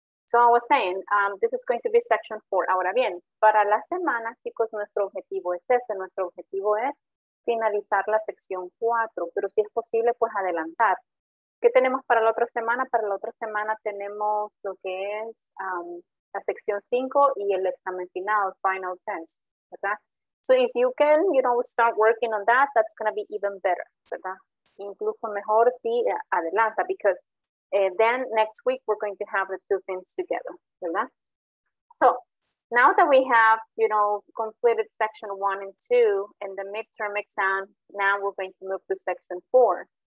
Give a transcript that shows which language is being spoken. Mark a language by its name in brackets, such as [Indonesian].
[English] So I was saying, this is going to be section 4. [Spanish] Ahora bien, para la semana, chicos, nuestro objetivo es ese. Nuestro objetivo es finalizar la sección 4, pero si es posible, pues adelantar. ¿Qué tenemos para la otra semana? Para la otra semana tenemos lo que es la sección 5 y el examen final, [English] final test, [Spanish] ¿verdad? [English] So if you can, start working on that, that's going to be even better, ¿verdad? [Spanish] Incluso mejor si adelanta, [English] because then next week we're going to have the two things together, ¿verdad? So, now that we have, completed section 1 and 2 and the midterm exam, now we're going to move to section 4.